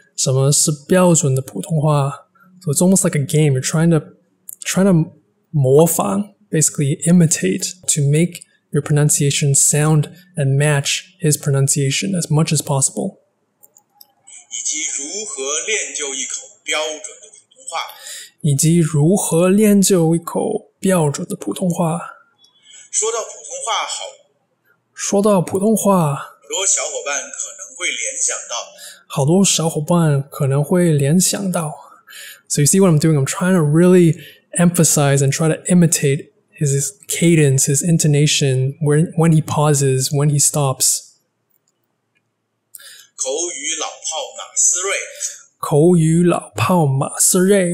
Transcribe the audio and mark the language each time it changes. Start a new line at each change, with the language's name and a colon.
Chinese: 今天咱们就聊一聊什么是标准的普通话。
English: So it's almost like a game. You're trying to
Chinese: 模仿,
English: basically imitate, to make your pronunciation sound and match his pronunciation as much as possible.
Chinese: 以及如何练就一口标准的普通话。以及如何练就一口标准的普通话。说到普通话好。说到普通话，很多小伙伴可能会联想到。好多小伙伴可能会联想到。
English: So you see what I'm doing? I'm trying to really emphasize and try to imitate his cadence, his intonation, when he pauses, when he stops.
Chinese: 口语老炮马思睿。口语老炮马思睿。